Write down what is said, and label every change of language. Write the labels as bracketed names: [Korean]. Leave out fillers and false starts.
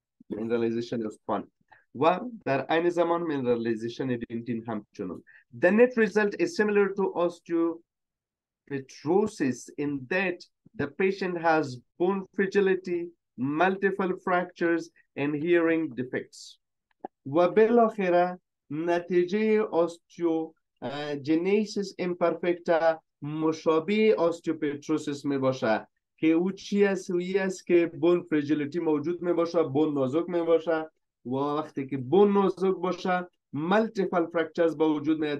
[Persian] منرالیزیشن استخوان. و در این زمان منرالیزیشن دنتین همچنون. [English] The net result is similar to osteopetrosis in that the patient has bone fragility, multiple fractures, and hearing defects. [Persian] و بالاخره نتیجه osteogenesis imperfecta مشابه osteopetrosis می باشه که او چی است؟ او است که bone fragility موجود می باشه، bone نازک می باشه و وقتی که bone نازک باشه multiple fractures با وجود میاد.